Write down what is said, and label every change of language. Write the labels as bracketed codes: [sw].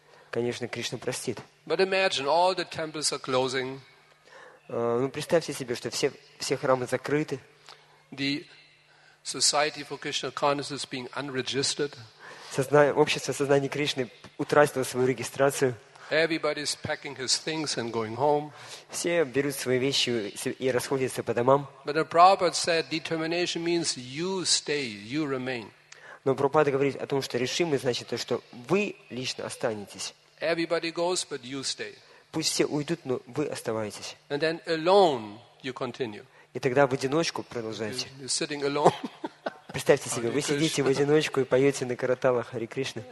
[ru] Конечно, Кришна простит. [en] But imagine all the temples are closing. [ru] Ну, представьте себе, что все храмы закрыты. [en] The Society for Krishna Consciousness being unregistered. [ru] Общество сознания Кришны утратило свою регистрацию. [en] Everybody is packing his things and going home. [ru] Все берут свои вещи и расходятся по домам. [en] But the Prabhupada said determination means you stay, you remain. [ru] Но Прабхупада говорит о том, что решимость значит то, что вы лично останетесь. [en] Everybody goes, but you stay. [ru] Пусть все уйдут, но вы оставайтесь. [en] And then alone you continue. [ru] И тогда в одиночку продолжайте. [en] You're sitting alone. [ru] Представьте себе, вы сидите в одиночку и поете на караталах Хари Кришны.